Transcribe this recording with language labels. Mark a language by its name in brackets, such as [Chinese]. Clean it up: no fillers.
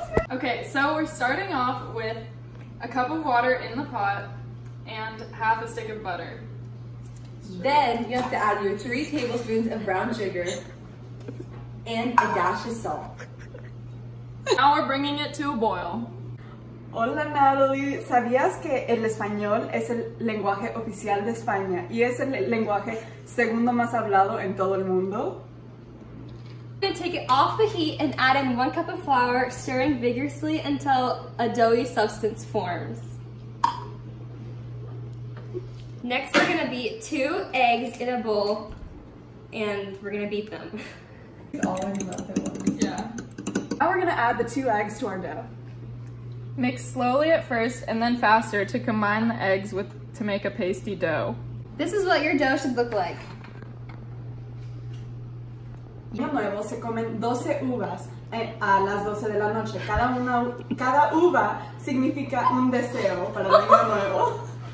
[English] Okay, so we're starting off with a cup of water in the pot and half a stick of butter. Then you have to add your 3 tablespoons of brown sugar and a dash of salt. Now we're bringing it to a boil. [Spanish] Hola Natalie, ¿sabías que el español es el lenguaje oficial de España y es el lenguaje segundo más hablado en todo el mundo? [English] I'm gonna take it off the heat and add in 1 cup of flour, stirring vigorously until a doughy substance forms. Next, we're gonna beat 2 eggs in a bowl and we're gonna beat them. Yeah. Now we're gonna add the 2 eggs to our dough. Mix slowly at first and then faster to combine the eggs with to make a pasty dough. This is what your dough should look like. [Spanish] De nuevo se comen 12 uvas a las 12 de la noche. Cada uva significa un deseo para el año nuevo.